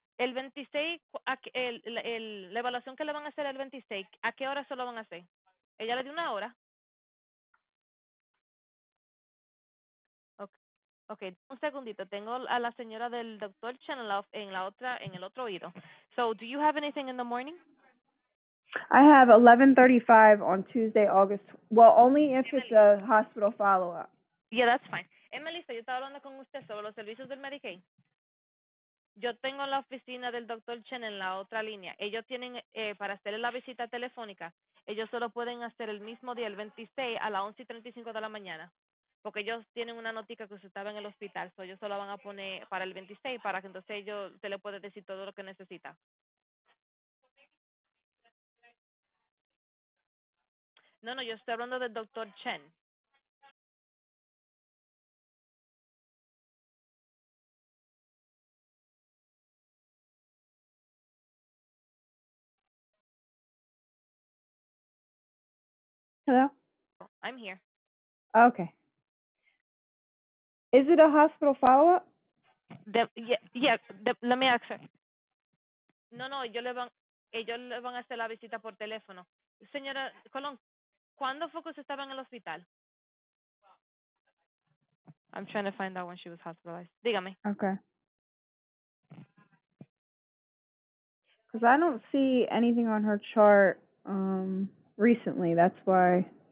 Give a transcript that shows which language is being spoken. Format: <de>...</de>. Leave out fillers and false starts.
<es>El 26, la evaluación que le van a hacer el 26, ¿a qué hora se lo van a hacer? Ella le dio una hora. Okay. Okay, un segundito. Tengo a la señora del doctor Chenelov en la otra, en el otro oído.</es> <en>So, do you have anything in the morning? I have 11:35 on Tuesday, August. Well, only if it's a hospital follow-up. Yeah, that's fine.</en> <es>Emelisa, yo estaba hablando con usted sobre los servicios del Medicaid. Yo tengo la oficina del doctor Chen en la otra línea. Ellos tienen, para hacerle la visita telefónica, ellos solo pueden hacer el mismo día, el 26, a las 11:35 de la mañana. Porque ellos tienen una notica que usted estaba en el hospital. So ellos solo van a poner para el 26, para que entonces ellos, usted le puede decir todo lo que necesita. No, no, yo estoy hablando del doctor Chen.</es> <en>Hello? I'm here. Okay. Is it a hospital follow-up? Let me ask her.</en> <es>No, no, ellos le van a hacer la visita por teléfono. Señora Colón, ¿cuándo fue que usted estaba en el hospital?</es> <en>I'm trying to find out when she was hospitalized.</en> <es>Dígame.</es> <en>Okay. Because I don't see anything on her chart recently. That's why...</en>